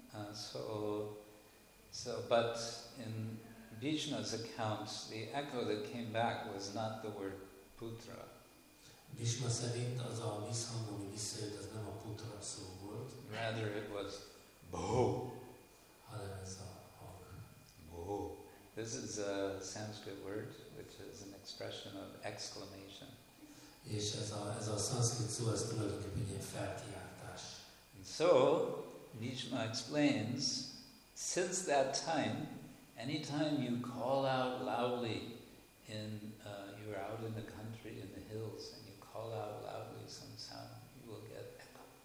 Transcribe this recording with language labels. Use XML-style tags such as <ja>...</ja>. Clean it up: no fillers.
<en>So, but in Bhishma's account, the echo that came back was not the word putra.</en> <hu>Bhishma szerint az a visszhang, ami visszajött, az nem a putra szó volt.</hu> <en>Rather, it was bho.</en> <hu>Hanem ez a hang.</hu> <sa>Bho.</sa> <en>This is a Sanskrit word, which is an expression of exclamation.</en> <hu>És ez a Sanskrit szó, ez tulajdonképpen egy felkiáltás.</hu> <en>And so, Bhishma explains, since that time, any time you call out loudly, you are out in the country, in the hills, and you call out loudly some sound, you will get echo.</en>